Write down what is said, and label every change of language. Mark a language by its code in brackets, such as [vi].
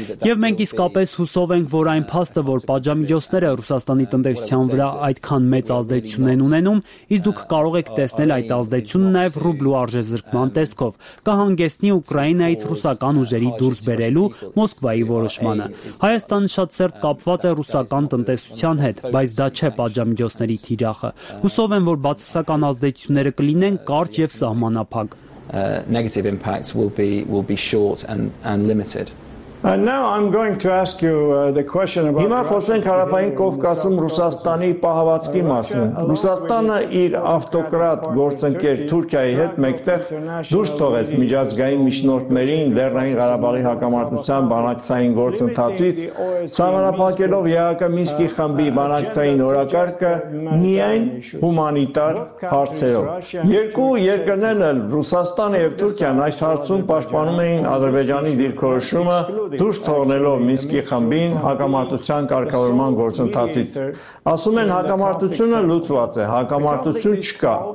[hy] Եվ մենք իսկապես հուսով ենք, որ այն փաստը, որ պատժամիջոցները Ռուսաստանի տնտեսության վրա այդքան մեծ ազդեցություն են ունենում, իսկ դուք կարող եք տեսնել այդ ազդեցությունը նաև ռուբլու արժեզրկման տեսքով, կհանգեցնի Ուկրաինայից ռուսական ուժերի դուրս բերելու Մոսկվայի որոշմանը։ Հայաստանը շատ սերտ կապված է ռուսական տնտեսության հետ, բայց դա չէ պատժամիջոցների թիրախը։ Հուսով եմ, որ բացասական ազդեցությունները կլինեն կարճ եւ սահմանափակ։ [en] Negative impacts will be short and limited. And now I'm going to ask you the question about [hy] Հիմա խոսենք Հարավային Կովկասում Ռուսաստանի պահվածքի մասին։ Ռուսաստանը իր ավտոկրատ գործընկեր Թուրքիայի հետ մեկտեղ դուրս թողեց միջազգային միջնորդներին Լեռնային Ղարաբաղի հակամարտության բանակցային գործընթացից, համանախակելով ԵԱԿ Մինսկի խմբի բանակցային օրակարգը միայն հումանիտար հարցերով։ Երկու երկրներն էլ, Ռուսաստանը եւ Թուրքիան, այս հարցում պաշտպանում էին Ադրբեջանի դիրքորոշումը դուրս թողնելով Մինսկի խմբին հակամարտության կարգավորման գործընթացից։ Ասում են, հակամարտությունը լուծված է, հակամարտություն չկա։